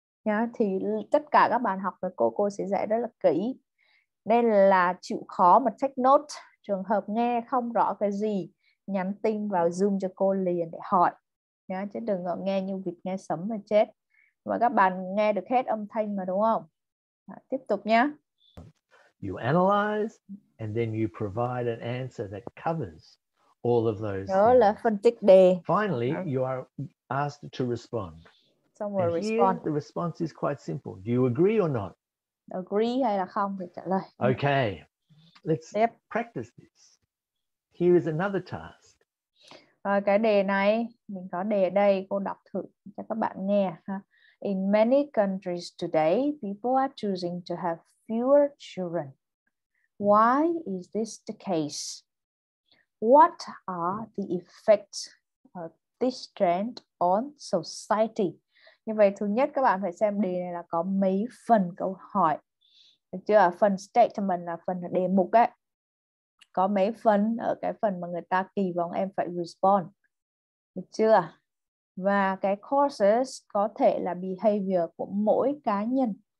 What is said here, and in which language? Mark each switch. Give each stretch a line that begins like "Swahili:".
Vietnamese: Nhá, thì tất cả các bạn học với cô sẽ dạy rất là kỹ. Nên là chịu khó mà
English: take note,
Vietnamese: trường hợp nghe không rõ cái gì, nhắn tin vào Zoom cho cô liền để hỏi. Nhá, chứ đừng có nghe như vịt nghe sấm mà chết. Và các bạn nghe được hết âm thanh mà đúng không? Đó, tiếp tục nhá.
English: You analyze and then you provide an answer that covers all of those.
Vietnamese: Đó là phân tích đề.
English: Finally, you are asked to respond. Somewhere and respond. Here, the response is quite simple. Do you agree or not?
Vietnamese: Agree hay là không thì trả lời.
English: Okay. Let's yep. practice this. Here is another task.
Vietnamese: Rồi, cái đề này mình có đề ở đây, cô đọc thử cho các bạn nghe ha.
English: In many countries today, people are choosing to have fewer children. Why is this the case? What are the effects of this trend on society?
Vietnamese: Như vậy, thứ nhất các bạn phải xem đề này là có mấy phần câu hỏi. Được chưa? Phần statement là phần đề mục ấy. Có mấy phần ở cái phần mà người ta kỳ vọng em phải respond. Được chưa? Và cái causes có thể là behavior của mỗi cá nhân.